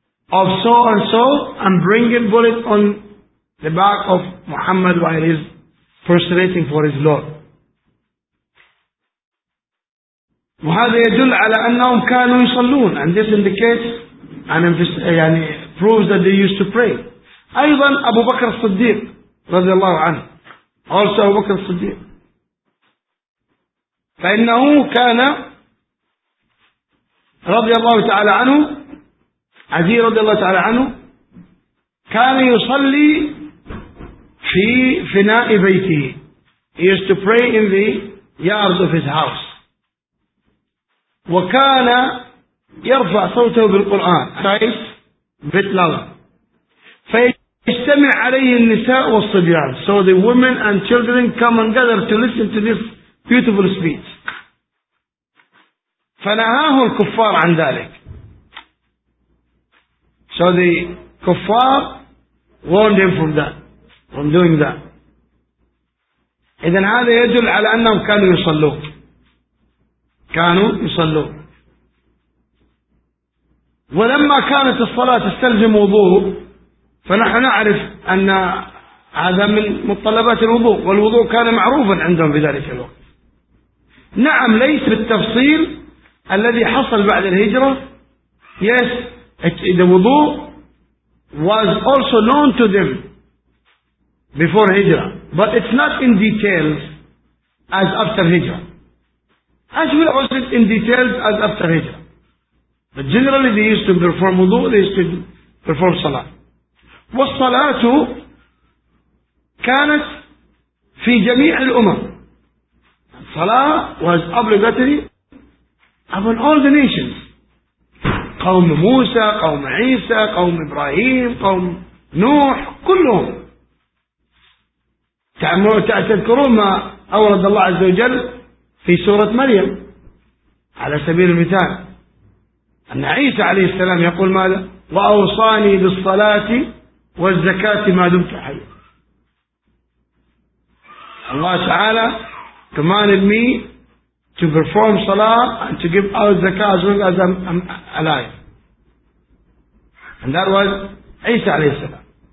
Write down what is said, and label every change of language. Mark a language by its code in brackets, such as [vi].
[en] of so and so and bring a bullet on the back of Muhammad while he is prostrating for his Lord. [ar] وهذا يدل على أنهم كانوا يصلون. [en] And this indicates يعني proves that they used to pray. [ar] أيضا أبو بكر الصديق رضي الله عنه، also أبو بكر الصديق، فإنه كان رضي الله تعالى عنه، عزيز رضي الله تعالى عنه، كان يصلي في فناء بيته. [en] He used to pray in the yards of his house. [ar] وكان يرفع صوته بالقرآن كويس بتلاوة، فيجتمع عليه النساء والصبيان. [en] So the women and children come and gather to listen to this beautiful speech. [ar] فنهاه الكفار عن ذلك. [en] So the كفار warned him from that, from doing that. [ar] إذن هذا يدل على أنهم كانوا يصلون. كانوا يصلون. ولما كانت الصلاة تستلزم وضوء، فنحن نعرف أن هذا من متطلبات الوضوء، والوضوء كان معروفا عندهم في ذلك الوقت. نعم ليس بالتفصيل الذي حصل بعد الهجرة. [en] Yes, the wudu was also known to them before hijra, but it's not in details as after hijra. Actually, was it in details as after hijra? But generally they used to perform wudu, they used to perform salah. [ar] والصلاة كانت في جميع الأمم. [en] الصلاة was obligatory upon all the nations. [ar] قوم موسى، قوم عيسى، قوم إبراهيم، قوم نوح، كلهم. تذكرون ما أورد الله عز وجل في سورة مريم على سبيل المثال، أن عيسى عليه السلام يقول ماذا؟ وأوصاني بالصلاة والزكاة ما دمت حيا. [en] الله تعالى commanded me to perform salah and to give out zakah as long as I'm alive. And that was عيسى عليه السلام.